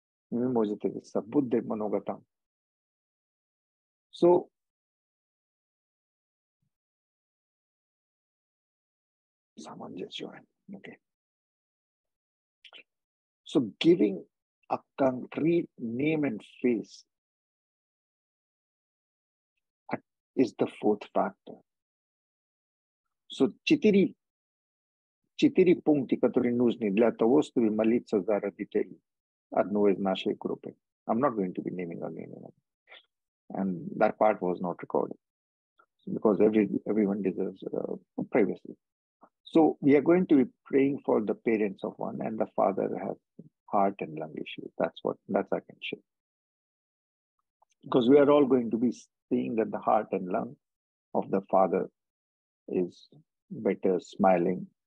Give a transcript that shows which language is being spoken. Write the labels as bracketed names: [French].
[English] You might think it's a Buddha Manogata. So, someone just joined. Okay. So, giving a concrete name and face is the fourth factor. [Russian] So, четыре пункта, которые нужны для того, чтобы молиться за родителей одной из нашей группы. [English] I'm not going to be naming on anyone. And that part was not recorded. Because everyone deserves privacy. So, we are going to be praying for the parents of one and the father has heart and lung issues. That's what I can share. Because we are all going to be seeing that the heart and lung of the father is better, smiling.